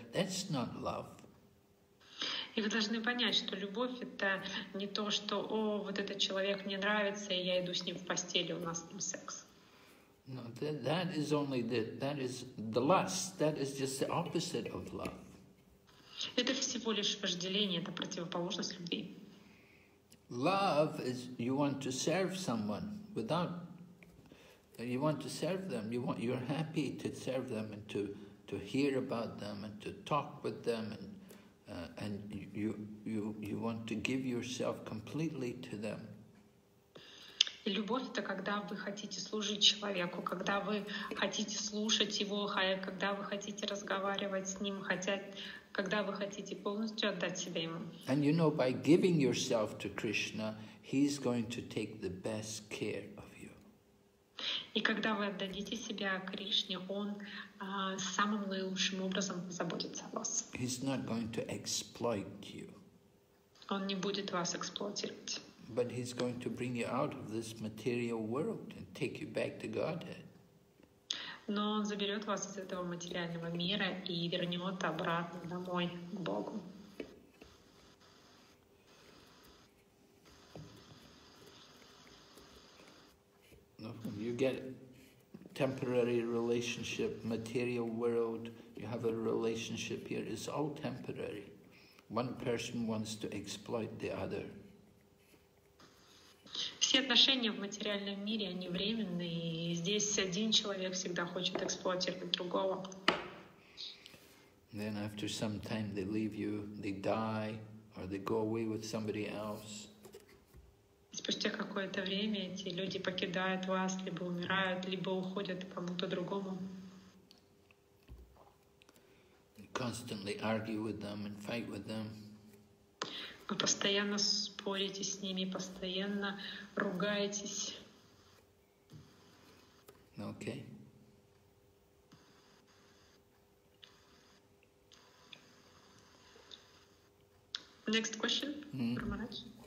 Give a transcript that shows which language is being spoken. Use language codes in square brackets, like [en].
[en] That's not love. [ru] И вы должны понять, что любовь — это не то, что «О, вот этот человек мне нравится, и я иду с ним в постели, у нас там секс». [en] No, that is only that is the lust. That is just the opposite of love. [ru] Это всего лишь вожделение, это противоположность любви. [en] Love is you want to serve someone without... You want to serve them. You're happy to serve them and to hear about them and to talk with them and you want to give yourself completely to them. [ru] Любовь — это когда вы хотите служить человеку, когда вы хотите слушать его, когда вы хотите разговаривать с ним, когда вы хотите полностью отдать себя ему. [en] And you know, by giving yourself to Krishna, he's going to take the best care of you. [ru] И когда вы отдадите себя Кришне, он самым наилучшим образом заботится о вас. [en] He's not going to exploit you. [ru] Он не будет вас эксплуатировать. [en] But he's going to bring you out of this material world and take you back to Godhead. [ru] Но он заберет вас из этого материального мира и вернет обратно домой к Богу. [en] You get temporary relationship, material world, you have a relationship here, it's all temporary. One person wants to exploit the other. [ru] Все отношения в материальном мире, они временные, и здесь один человек всегда хочет эксплуатировать другого. [en] Then after some time they leave you, they die, or they go away with somebody else. [ru] Спустя какое-то время эти люди покидают вас, либо умирают, либо уходят кому-то другому. [en] Constantly argue with them and fight with them. [ru] Вы постоянно спорите с ними, постоянно ругаетесь. [en] Okay. Next question, Прамарадж.